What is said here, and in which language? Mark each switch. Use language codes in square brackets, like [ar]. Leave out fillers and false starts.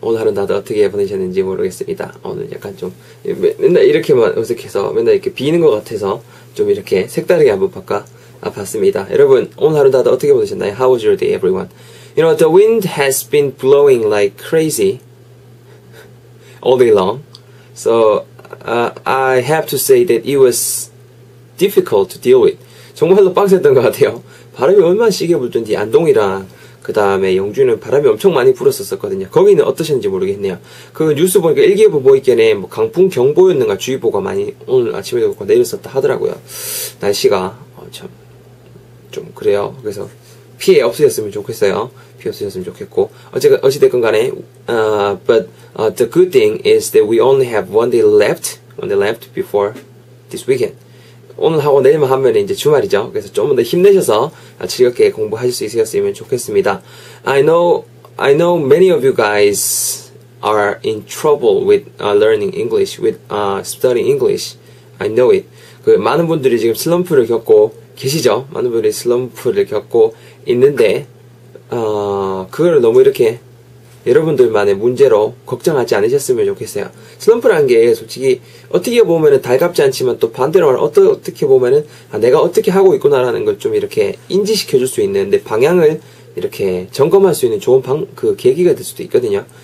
[ko] 오늘 하루 다들 어떻게 보내셨는지 모르겠습니다. 오늘 약간 좀 맨날 이렇게만 어색해서 맨날 이렇게 비는 것 같아서 좀 이렇게 색다르게 한번 봤습니다. 여러분, 오늘 하루 다들 어떻게 보내셨나요? [en] How was your day, everyone? You know, the wind has been blowing like crazy all day long. So, I have to say that it was difficult to deal with. [ko] 정말로 빵셌던 것 같아요. 바람이 얼마나 시게 불던지 안동이랑 그 다음에 영주는 바람이 엄청 많이 불었었거든요. 거기는 어떠셨는지 모르겠네요. 그 뉴스 보니까 일기예보 보이겠네. 뭐 강풍 경보였는가 주의보가 많이 오늘 아침에도 그렇고 내렸었다 하더라고요. 날씨가 참 좀 그래요. 그래서 피해 없으셨으면 좋겠어요. 피해 없으셨으면 좋겠고. 어찌됐건 간에, [en] but the good thing is that we only have one day left before this weekend. [ko] 오늘 하고 내일만 하면 이제 주말이죠. 그래서 좀 더 힘내셔서 즐겁게 공부하실 수 있으셨으면 좋겠습니다. [en] I know many of you guys are in trouble with learning English, with studying English. I know it. [ko] 그 많은 분들이 지금 슬럼프를 겪고 계시죠? 많은 분들이 슬럼프를 겪고 있는데 그걸 너무 이렇게 여러분들만의 문제로 걱정하지 않으셨으면 좋겠어요. 슬럼프라는 게 솔직히 어떻게 보면은 달갑지 않지만 또 반대로 어떻게 보면은 내가 어떻게 하고 있구나라는 걸 좀 이렇게 인지시켜줄 수 있는 내 방향을 이렇게 점검할 수 있는 좋은 그 계기가 될 수도 있거든요.